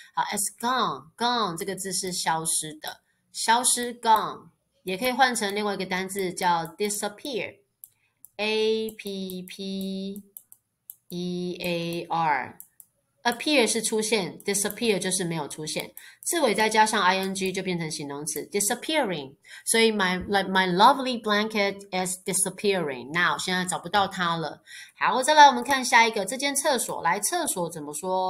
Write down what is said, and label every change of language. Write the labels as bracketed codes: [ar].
[zh] 好， it's gone 这个字是消失的，消失 gone， 也可以换成另外一个单字叫 disappear， appear，appear 是出现， disappear 就是没有出现，字尾再加上 ing 就变成形容词 disappearing。 [en] 所以 my lovely blanket is disappearing now， [zh] 现在找不到它了。好，再来我们看下一个，这间厕所，来厕所怎么说？